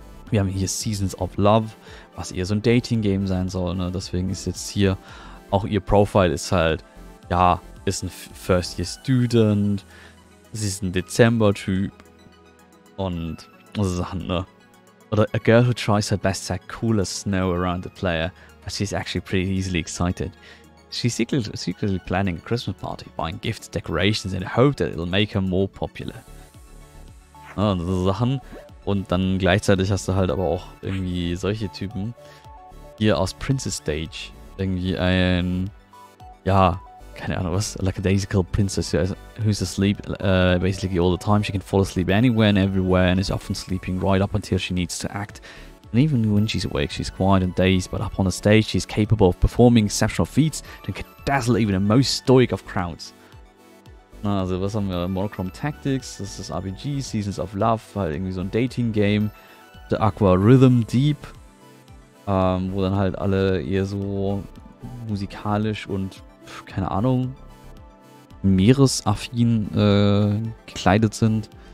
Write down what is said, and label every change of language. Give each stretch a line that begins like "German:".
German: Wir haben hier Seasons of Love, was eher so ein Dating-Game sein soll, ne. Deswegen ist jetzt hier auch ihr Profile ist halt, ja, ist ein First Year Student, sie ist ein Dezember-Typ und so Sachen, ne. Oder
English: a girl who tries her best to act cool as snow around the player, but she's actually pretty easily excited. She's secretly planning a Christmas party, buying gifts, decorations in the hope that it'll make her more popular.
German: Ja, und so Sachen. Und dann gleichzeitig hast du halt aber auch irgendwie solche Typen. Hier aus Princess Stage. Irgendwie ein, ja, keine Ahnung was,
English: lackadaisical princess who's asleep basically all the time. She can fall asleep anywhere and everywhere and is often sleeping right up until she needs to act. And even when she's awake, she's quiet and dazed, but up on the stage, she's capable of performing exceptional feats that can dazzle even the most stoic of crowds.
German: Na, also was haben wir? Monochrome Tactics, das ist RPG, Seasons of Love, halt irgendwie so ein Dating-Game. The Aqua Rhythm Deep, wo dann halt alle eher so musikalisch und keine Ahnung, meeresaffin gekleidet sind.